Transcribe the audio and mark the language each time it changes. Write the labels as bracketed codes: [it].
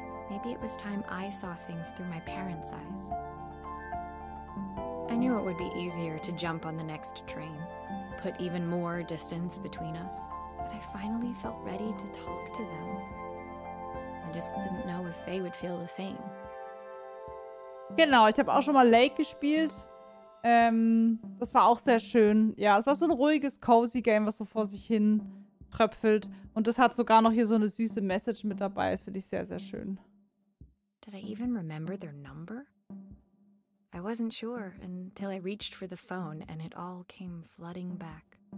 [en] Maybe it was time I saw things through my parents' eyes. I knew it would be easier to jump on the next train. Put even more distance between us, but I finally felt ready to talk to them. And just didn't know if they would feel the same. [de] Genau, ich habe auch schon mal Lake gespielt. Das war auch sehr schön. Ja, es war so ein ruhiges, cozy Game, was so vor sich hin tröpfelt. Und das hat sogar noch hier so eine süße Message mit dabei. Das finde ich sehr, sehr schön. [en] Did I even remember their number? I wasn't sure until I reached for the phone and it all came flooding back.